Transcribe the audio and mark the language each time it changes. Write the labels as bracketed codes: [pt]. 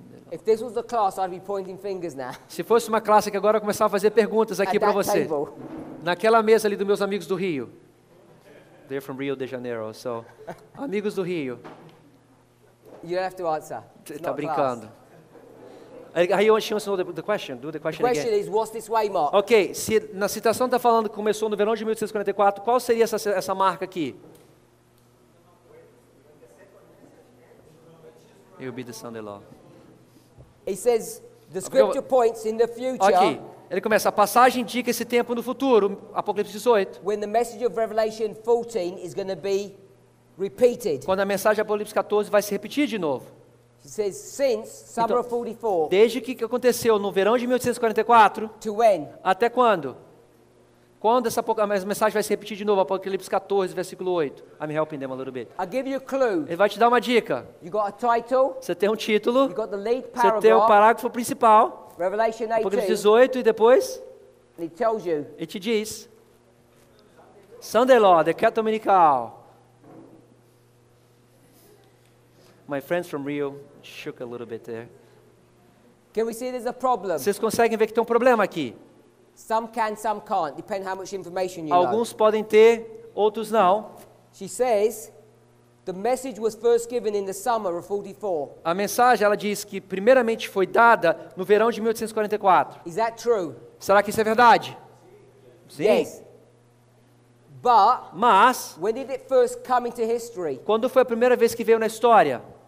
[en] If this was a class, I'd be pointing fingers now. [pt] Se fosse uma classe que agora eu começava a fazer perguntas aqui para você. [en] Table. [pt] Naquela mesa ali dos meus amigos do Rio. [en] They're from Rio de Janeiro, so. [pt] Amigos do Rio. [en] You have to answer. [pt] Está brincando. [en] Class. [pt] Aí eu acho que você não sabe a question. [en] Do the question again. The question is, what's this waymark? [pt] Ok, se na citação está falando que começou no verão de 1844, qual seria essa marca aqui? [en] It will be the Sunday law. It says, the scripture points in the future. [pt] Ok, ele começa, a passagem indica esse tempo no futuro, Apocalipse 18. [en] When the message of Revelation 14 is going to be repeated. [pt] Quando a mensagem de Apocalipse 14 vai se repetir de novo. [en] It says since summer of 44. [pt] Desde que aconteceu no verão de 1844. [en] To when? [pt] Até quando? Quando essa mensagem vai se repetir de novo, Apocalipse 14, versículo 8. [en] I'm helping them a little bit. I'll give you a clue. [pt] Ele vai te dar uma dica. [en] You got a title. [pt] Você tem um título. [en] You got the lead paragraph. [pt] Você tem o parágrafo principal. [en] Revelation 18. [pt] Apocalipse 18 e depois? [en] And it tells you. [pt] E te diz. [en] Sunday law, [pt] decreto dominical. [en] My friends from Rio shook a little bit there. Can we see there's a problem? [pt] Vocês conseguem ver que tem um problema aqui? [en] Some can, some can't. Depend how much information you [pt] alguns know. Podem ter, outros não. [en] She says the message was first given in the summer of 44. [pt] A mensagem, ela diz que primeiramente foi dada no verão de 1844. [en] Is that true? [pt] Será que isso é verdade? Sim. [en] Yes. But, [pt] mas, [en] when did it first come into history? [pt] Quando foi a primeira vez que veio na história?